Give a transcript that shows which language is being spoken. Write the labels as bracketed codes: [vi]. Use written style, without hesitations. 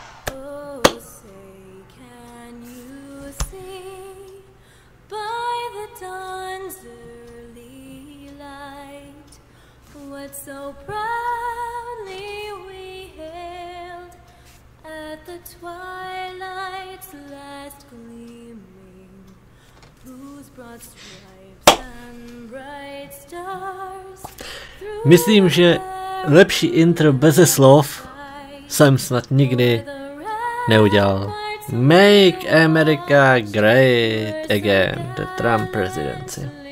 [en] Oh, say can you see by the dawn's early light what so proudly we hailed at the twilight's last gleaming, whose broad stripes and bright stars through. [cs] Myslím, že lepší intro beze slov jsem snad nikdy neudělal. [en] Make America great again, the Trump presidency.